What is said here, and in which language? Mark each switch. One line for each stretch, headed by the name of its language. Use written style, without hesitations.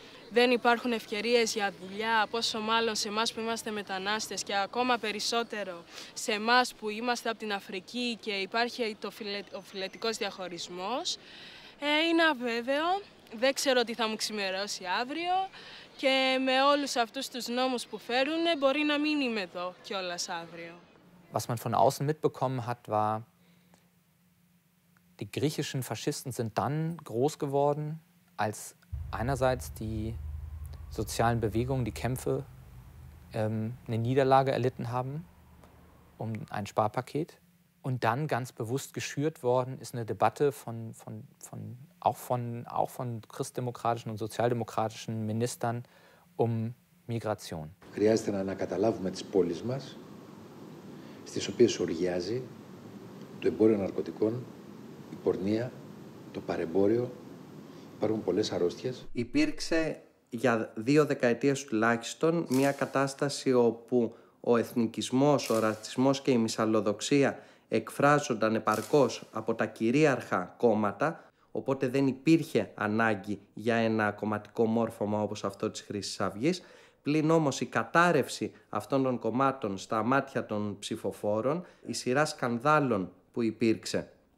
Greek: Δεν υπάρχουν ευκαιρίες για δουλειά, πόσο μάλλον σε εμάς που είμαστε μετανάστες και ακόμα περισσότερο σε εμάς που είμαστε από την Αφρική και υπάρχει ο φυλετικός διαχωρισμός. Είναι αβέβαιο, δεν ξέρω τι θα μου ξημερώσει αύριο και με όλους αυτούς τους νόμους που φέρουν μπορεί να μην είμαι εδώ κιόλας αύριο.
German: Was man von außen mitbekommen hat, war die griechischen Faschisten sind dann groß geworden, als einerseits die sozialen Bewegungen, die Kämpfe, eine Niederlage erlitten haben um ein Sparpaket. Und dann ganz bewusst geschürt worden ist eine Debatte von christdemokratischen und sozialdemokratischen Ministern um Migration.
Greek: Χρειάζεται να ανακαταλάβουμε τις πόλεις μας, στις οποίες οργιάζει το εμπόριο ναρκωτικών, η πορνεία, το παρεμπόριο. Υπάρχουν πολλές αρρώστιες. Υπήρξε για δύο δεκαετίες τουλάχιστον μια κατάσταση όπου ο εθνικισμός, ο ρατσισμός και η μυσαλλοδοξία εκφράζονταν επαρκώς από τα κυρίαρχα κόμματα, οπότε δεν υπήρχε ανάγκη για ένα κομματικό μόρφωμα όπως αυτό της Χρύσης Αυγής, πλην όμως η κατάρρευση αυτών των κομμάτων στα μάτια των ψηφοφόρων, η σειρά σκανδάλων που υπήρξε